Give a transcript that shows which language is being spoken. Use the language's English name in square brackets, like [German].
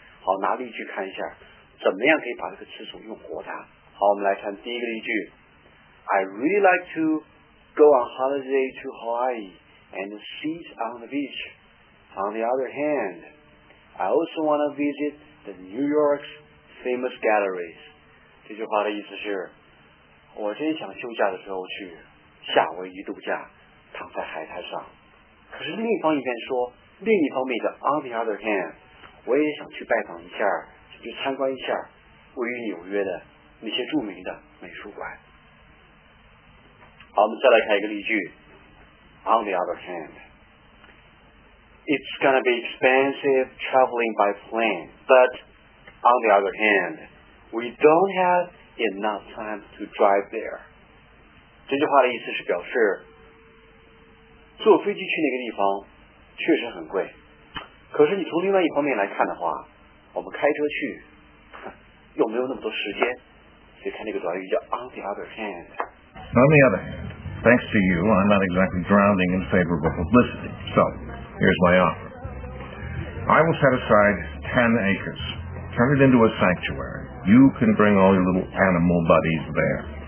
[Chinese] 好，拿例句看一下，怎么样可以把这个词组用活它。好，我们来看第一个例句。 [English] I really like to go on holiday to Hawaii and sit on the beach. On the other hand, I also want to visit the New York's famous galleries. [Chinese] 这句话的意思是，我真想休假的时候去夏威夷度假，躺在海滩上。可是另一方一边说，另一方面的 [English] on the other hand, [Chinese] 我也想去拜访一下，去参观一下位于纽约的那些著名的美术馆。好，我们再来看一个例句。 [English] On the other hand, it's gonna be expensive traveling by plane, but on the other hand, we don't have enough time to drive there. [Chinese] 这句话的意思是表示，坐飞机去那个地方确实很贵，可是你从另外一方面来看的话，我们开车去又没有那么多时间。所以看那个短语叫 [English] on the other hand. On the other hand, thanks to you, I'm not exactly drowning in favorable publicity. So, here's my offer. I will set aside 10 acres. Turn it into a sanctuary. You can bring all your little animal buddies there.